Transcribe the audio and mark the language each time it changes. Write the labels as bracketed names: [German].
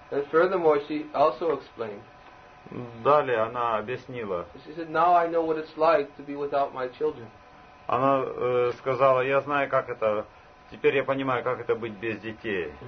[English] And furthermore, she also explained. [Russian] Далее она объяснила. [English] She said, "Now I know what it's like to be without my children." [Russian] Она сказала, я знаю, как это, теперь я понимаю, как это быть без детей.